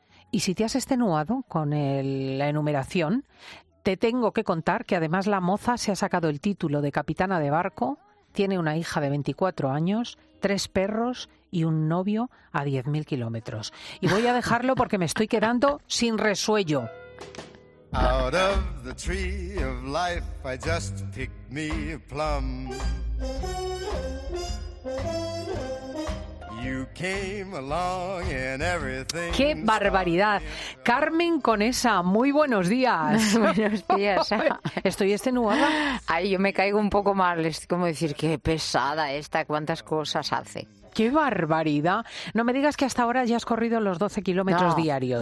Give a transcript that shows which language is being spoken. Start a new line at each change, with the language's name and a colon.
Spanish: Y si te has extenuado con la enumeración, te tengo que contar que además la moza se ha sacado el título de capitana de barco, tiene una hija de 24 años, 3 perros y un novio a 10.000 kilómetros. Y voy a dejarlo porque me estoy quedando sin resuello.
English: Out of the tree of life I just picked me a plum. You came along and everything.
Spanish: ¡Qué barbaridad! Carmen Conesa, muy buenos días. Buenos días. ¿Estoy extenuada? Ay, yo me caigo un poco mal. Es como decir, qué pesada esta, cuántas cosas hace. ¡Qué barbaridad! No me digas que hasta ahora ya has corrido los 12 kilómetros diarios.